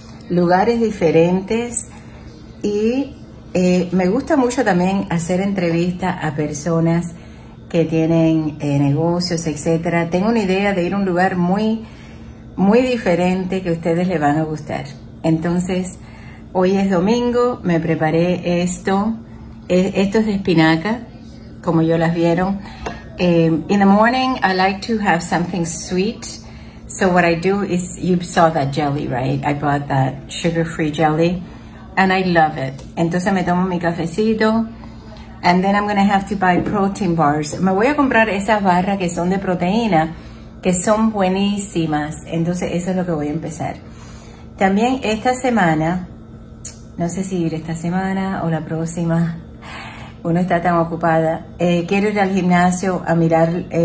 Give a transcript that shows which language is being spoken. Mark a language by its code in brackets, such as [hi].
[es] Lugares diferentes, y me gusta mucho también hacer entrevistas a personas que tienen negocios, etcétera. Tengo una idea de ir a un lugar muy, muy diferente que a ustedes les van a gustar. Entonces, hoy es domingo, me preparé esto. Esto es de espinaca, como yo las vieron. [en] In the morning, I like to have something sweet. So what I do is, you saw that jelly, right? I bought that sugar-free jelly, and I love it. [es] Entonces me tomo mi cafecito, [en] and then I'm going to have to buy protein bars. [es] Me voy a comprar esas barras que son de proteína, que son buenísimas. Entonces eso es lo que voy a empezar. También esta semana, no sé si ir esta semana o la próxima, uno está tan ocupada, quiero ir al gimnasio a mirar...